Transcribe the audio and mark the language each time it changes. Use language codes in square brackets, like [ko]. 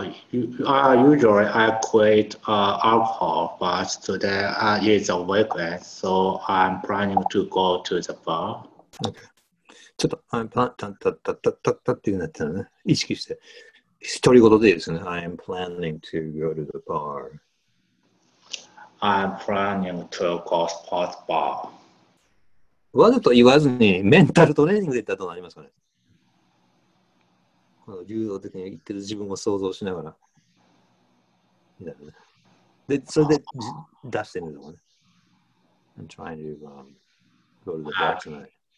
[en] Usually I quit alcohol, but today is a weekend, so I'm planning to go to the bar. [ja] Okay. ちょっと、 [en] I'm planning, [ja] たっていうなったのね。意識して。独り言でいいですね。 [en] I'm planning to go to the bar. I'm planning to go to the sports bar. [ja] わざと言わずにメンタルトレーニングで言ったらどうなりますかね。この流動的に言ってる自分を想像しながら。で、それで出してみるのね。 [en] I'm trying to、go to the bar tonight.